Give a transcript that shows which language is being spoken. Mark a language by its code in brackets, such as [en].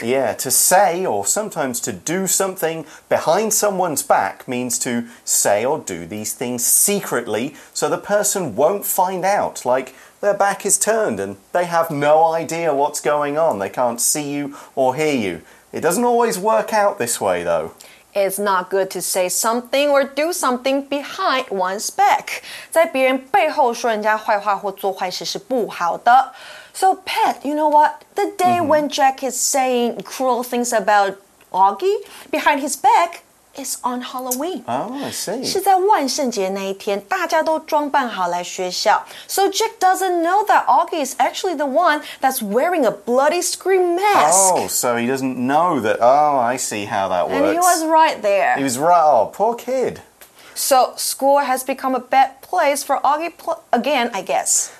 [en] Yeah, to say or sometimes to do something behind someone's back means to say or do these things secretly so the person won't find out, like their back is turned and they have no idea what's going on. They can't see you or hear you. It doesn't always work out this way, though. It's not good to say something or do something behind one's back. [zh] 在别人背后说人家坏话或做坏事是不好的。 [en] So, Pat, you know what? The day、mm-hmm. when Jack is saying cruel things about Augie behind his back,It's on Halloween. Oh, I see. [zh] 是在万圣节那一天，大家都装扮好来学校。 [en] So Jack doesn't know that Augie is actually the one that's wearing a bloody scream mask. Oh, so he doesn't know that. Oh, I see how that works. And he was right there. He was right. Oh, poor kid. So, school has become a bad place for Augie again, I guess.